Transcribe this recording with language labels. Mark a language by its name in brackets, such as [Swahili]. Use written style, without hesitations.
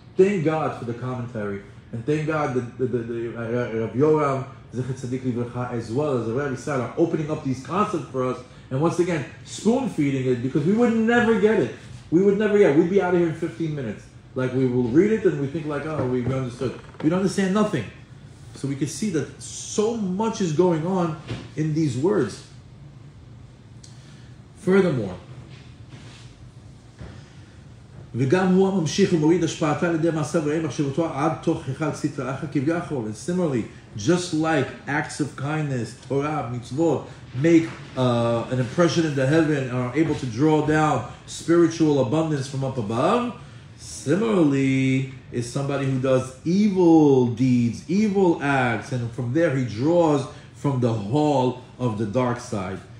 [English] Thank God for the commentary, and thank God that Rabbi Yoram, Zechet Tzadik Livracha, as well as the Rabbi Sal, are opening up these concepts for us, and once again, spoon-feeding it, because we would never get it. We would never get it. We'd be out of here in 15 minutes. Like, we will read it, and we think like, oh, we understood. We don't understand nothing. So we can see that so much is going on in these words. Furthermore, [Hebrew] וגם הוא הממשיך ומוריד השפעתה לידי מעשה ואין מחשבותו עד תוך היכל סיטרא אחרא כביכול. [English] And similarly, just like acts of kindness, Torah, mitzvot, make an impression in the heaven and are able to draw down spiritual abundance from up above, similarly, is somebody who does evil deeds, evil acts, and from there he draws from the hall of the dark side.